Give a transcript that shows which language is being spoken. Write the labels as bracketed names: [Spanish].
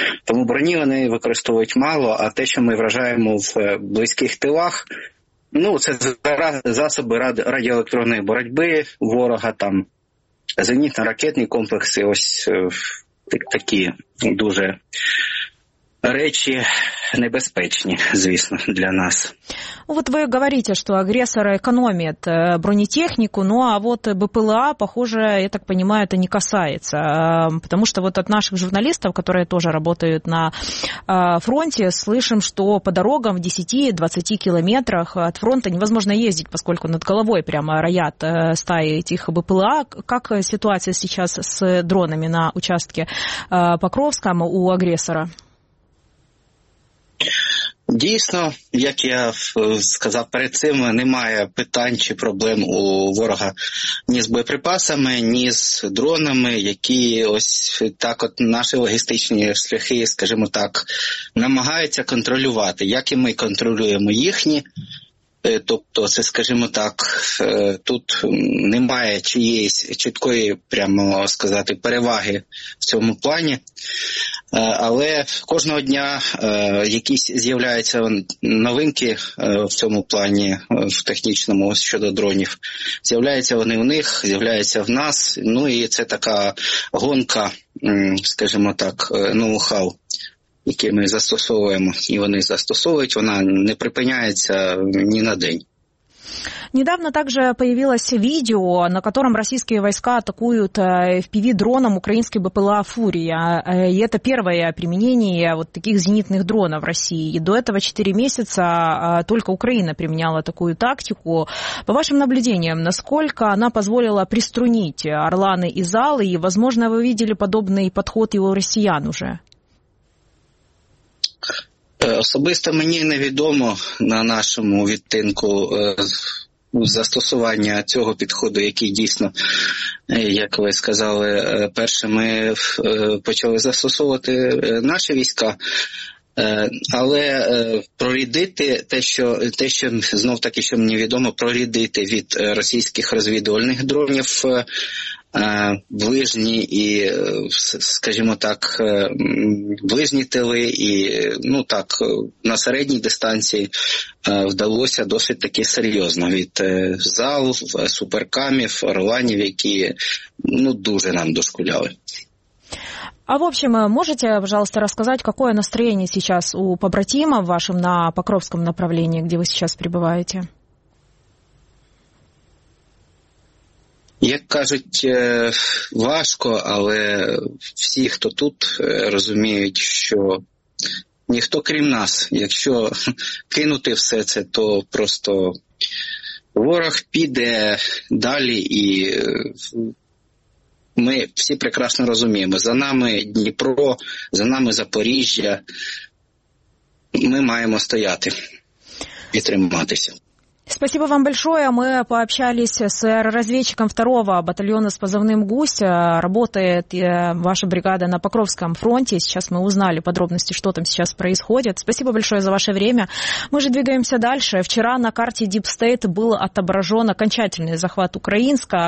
[Ukrainian] Тому броні вони використовують мало, а те, що ми вражаємо в близьких тилах, ну, це засоби радіоелектронної боротьби ворога, там зенітно-ракетні комплекси, ось такі дуже речі небезпечні, звісно, для нас. [Russian] Вот вы говорите, что агрессор экономит бронетехнику, ну а вот БПЛА, похоже, я так понимаю, это не касается. Потому что вот от наших журналистов, которые тоже работают на фронте, слышим, что по дорогам в 10-20 километрах от фронта невозможно ездить, поскольку над головой прямо роят стаи этих БПЛА. Как ситуация сейчас с дронами на участке Покровском у агрессора? [Ukrainian] Дійсно, як я сказав перед цим, немає питань чи проблем у ворога ні з боєприпасами, ні з дронами, які ось так от наші логістичні шляхи, скажімо так, намагаються контролювати, як і ми контролюємо їхні. Тобто, це, скажімо так, тут немає чиєїсь чіткої, прямо сказати, переваги в цьому плані. Але кожного дня якісь з'являються новинки в цьому плані, в технічному, щодо дронів. З'являються вони у них, з'являються в нас. Ну і це така гонка, скажімо так, ноу-хау, які ми застосовуємо, і вони застосовують, вона не припиняється ні на день. [Russian] Недавно также появилось видео, на котором российские войска атакуют FPV-дроном украинский БПЛА «Фурия». И это первое применение вот таких зенитных дронов в России. И до этого 4 месяца только Украина применяла такую тактику. По вашим наблюдениям, насколько она позволила приструнить «Орланы» и «Залы»? И, возможно, вы видели подобный подход и у россиян уже? [Ukrainian] Особисто мені невідомо на нашому відтинку застосування цього підходу, який дійсно, як ви сказали, першими почали застосовувати наші війська. Але прорядити те, що знов таки, що мені відомо, прорядити від російських розвідувальних дронів ближні і, скажімо так, ближні тили і, ну так, на середній дистанції вдалося досить таки серйозно від ЗАЛ, суперкамів, орланів, які, ну, дуже нам дошкуляли. [Russian] А в общем, можете, пожалуйста, рассказать, какое настроение сейчас у побратима в вашем на Покровском направлении, где вы сейчас пребываете? [Ukrainian] Як кажуть, важко, але всі, хто тут, розуміють, що ніхто крім нас. Якщо кинути все це, то просто ворог піде далі, і ми всі прекрасно розуміємо. За нами Дніпро, за нами Запоріжжя. Ми маємо стояти і триматися. [Russian] Спасибо вам большое. Мы пообщались с разведчиком 2-го батальона с позывным «Гусь». Работает ваша бригада на Покровском фронте. Сейчас мы узнали подробности, что там сейчас происходит. Спасибо большое за ваше время. Мы же двигаемся дальше. Вчера на карте Deep State был отображен окончательный захват Украинска.